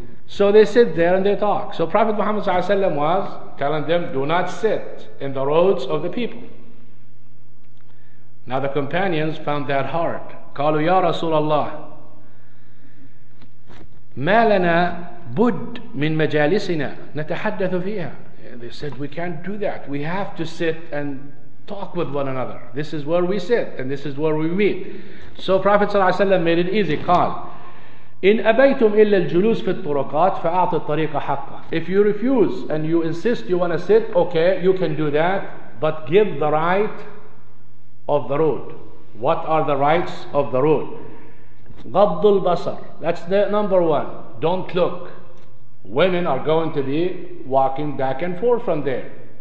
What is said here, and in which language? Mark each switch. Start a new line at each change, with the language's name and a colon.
English: So they sit there and they talk. So Prophet Muhammad sallallahu alaihi wasallam was telling them, do not sit in the roads of the people. Now the companions found that hard.
Arabic: قالوا يا رسول الله ما لنا بد من مجالسنا نتحدث فيها.
English: They said, we can't do that. We have to sit and talk with one another. This is where we sit and this is where we meet. So Prophet ﷺ made it easy.
Arabic: قال إن أبيتم إلا الجلوس في الطرقات فأعطي الطريق حقا.
English: If you refuse and you insist you want to sit, okay, you can do that, but give the right of the road. What are the rights of the road?
Arabic: غض البصر.
English: That's the number one. Don't look. women are going to be walking back and forth from there.